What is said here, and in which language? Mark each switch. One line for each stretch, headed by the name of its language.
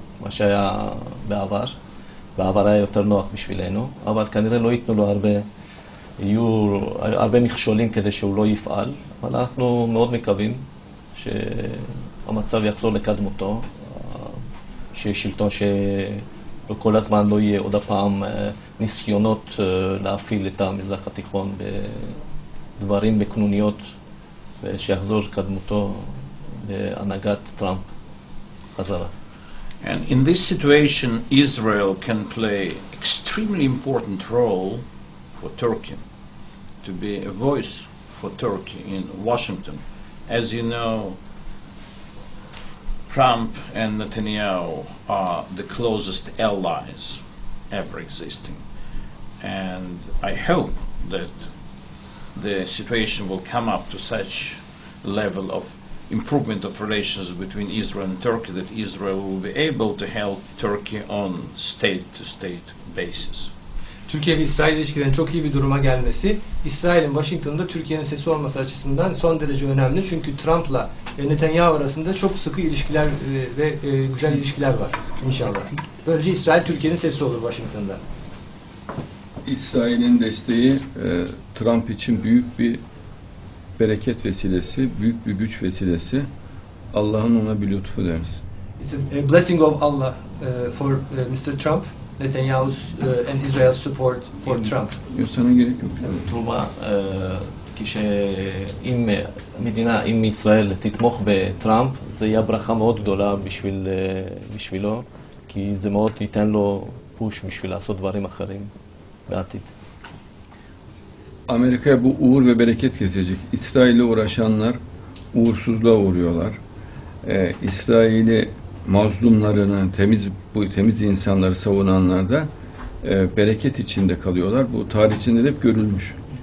Hebrew: מה שהיה בעבר, בעבר היה יותר נוח בשבילנו, אבל כנראה לא ייתנו לו הרבה, יהיו הרבה מכשולים כדי שהוא לא יפעל, אבל אנחנו מאוד מקווים שהמצב יחזור לקדמותו, שיש שלטון שכל הזמן לא יהיה עוד הפעם ניסיונות להפעיל את המזרח התיכון בדברים בקנוניות, ושיחזור קדמותו בהנהגת טראמפ חזרה.
English: And in this situation, Israel can play extremely important role for Turkey, to be a voice for Turkey in Washington. As you know, Trump and Netanyahu are the closest allies ever existing. And I hope that the situation will come up to such level of improvement of relations between Israel and Turkey, that Israel will be able to help Turkey on state-to-state basis.
Turkish: Türkiye ve İsrail ilişkilerinin çok iyi bir duruma gelmesi, İsrail'in Washington'da Türkiye'nin sesi olması açısından son derece önemli. Çünkü Trump'la Netanyahu arasında çok sıkı ilişkiler ve güzel ilişkiler var inşallah. Böylece İsrail Türkiye'nin sesi olur Washington'da. İsrail'in desteği Trump için büyük bir bereket vesilesi, büyük bir güç vesilesi. Allah'ın ona bir lütfu deriz.
English: It's a blessing of Allah for Mr. Trump, Netanyahu's and Israel's support for Trump.
Turkish: Yok, sana gerek yok.
Hebrew: Turma, kişi im medina im İsrail titmokh be Trump, ze ya bracha meod gdola bishvil bishvilo, כי זה מאוד ייתן לו פוש בשביל לעשות דברים אחרים בעתיד.
Turkish: Amerika'ya bu uğur ve bereket getirecek. İsrail'le uğraşanlar uğursuzluğa uğruyorlar. İsrail'i mazlumlarını, temiz insanları savunanlar da bereket içinde kalıyorlar. Bu tarihçinde hep görülmüş.